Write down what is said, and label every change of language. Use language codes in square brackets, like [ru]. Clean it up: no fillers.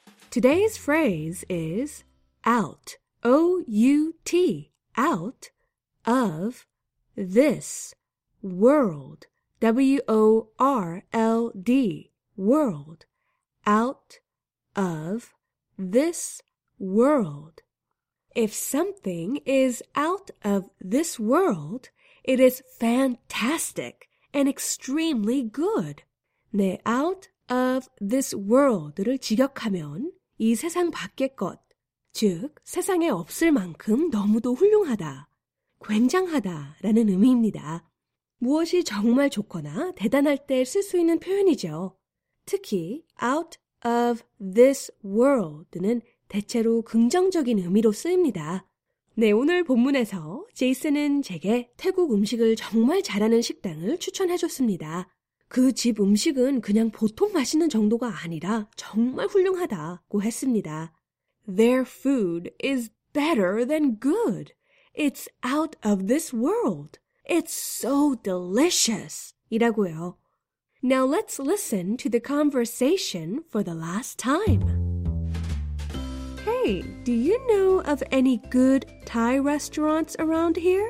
[en] Today's phrase is out, O-U-T, out of this world, W-O-R-L-D, world, out of this world. If something is out of this world, it is fantastic and extremely good. [ko] 네, [en] out of this world [ko] 를 직역하면 이 세상 밖의 것, 즉 세상에 없을 만큼 너무도 훌륭하다, 굉장하다라는 의미입니다. 무엇이 정말 좋거나 대단할 때 쓸 수 있는 표현이죠. 특히 [en] out of this world [ko] 는 대체로 긍정적인 의미로 쓰입니다. 네, 오늘 본문에서 제이슨은 제게 태국 음식을 정말 잘하는 식당을 추천해줬습니다. 그 집 음식은 그냥 보통 맛있는 정도가 아니라 정말 훌륭하다고 했습니다. [en] Their food is better than good. It's out of this world. It's so delicious. [ko] 이라고요. [en] Now let's listen to the conversation for the last time. Hey, do you know of any good Thai restaurants around here?